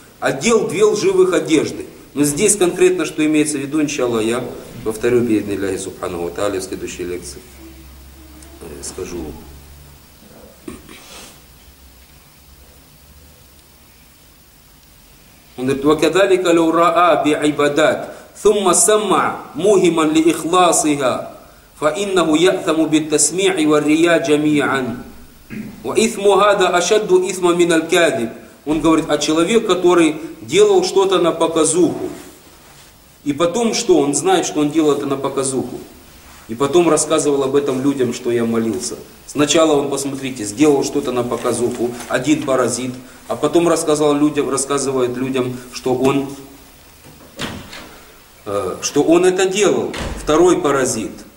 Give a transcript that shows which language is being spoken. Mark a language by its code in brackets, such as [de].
[ru] Одел две лживых одежды. Но здесь конкретно что имеется в виду, иншалла, я повторю бидни ляхи субхану ва тааля в следующей лекции. Скажу. Он говорит, вакадалика ля ураа би айбадат, сумма самма мухиман ли ихласига. [ar] فإنه يأثم بالتسميع والرياء جميعا وإثم هذا أشد إثما من الكاذب. [ru] Он говорит, а человек, который делал что-то на показуху, и потом что? Он знает, что он делал это на показуху, и потом рассказывал об этом людям, что я молился. Сначала он, посмотрите, сделал что-то на показуху, один паразит, а потом рассказал людям, рассказывает людям, что он это делал, второй паразит.